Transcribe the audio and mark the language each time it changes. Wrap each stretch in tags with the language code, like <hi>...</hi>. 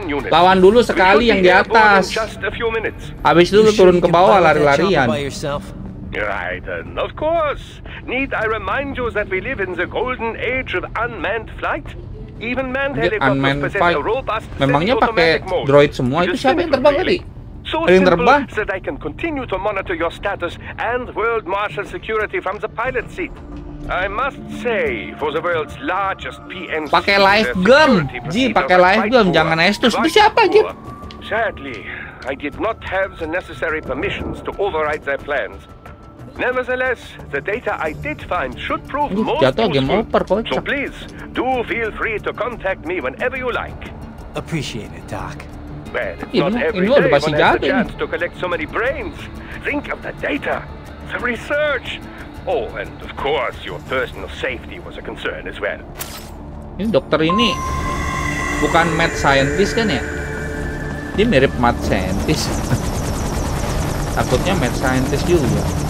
<id>Lawan dulu sekali yang di atas. Habis itu turun ke bawah lari-larian.</id> <en>Right, and of course. Need I remind you that we live in the golden age of unmanned flight? Even manned helicopters possess a robust</en> <id>memangnya pakai droid semua itu siapa yang terbang tadi?</id> <en>So</en> <id>yang terbang</id> <en>that I can continue to monitor your status and world martial security from the pilot seat. I must say for the world's largest PNC.</en> <id>Pakai live gun. Jip, pakai live gun jangan Estus. Itu siapa, Jip?</id> <en>Sadly, I did not have the necessary permissions to override their plans. Nevertheless, the data I did find should prove most useful. So please, do feel free to contact me whenever you like. Appreciate it, Doc. Well, it's not every day one has a chance to collect so many brains. Think of the data, the research. Oh, and of course, your personal safety was a concern as well.</en> <id>Ini dokter ini bukan mad scientist kan ya? Dia mirip mad scientist. Takutnya mad scientist juga.</id>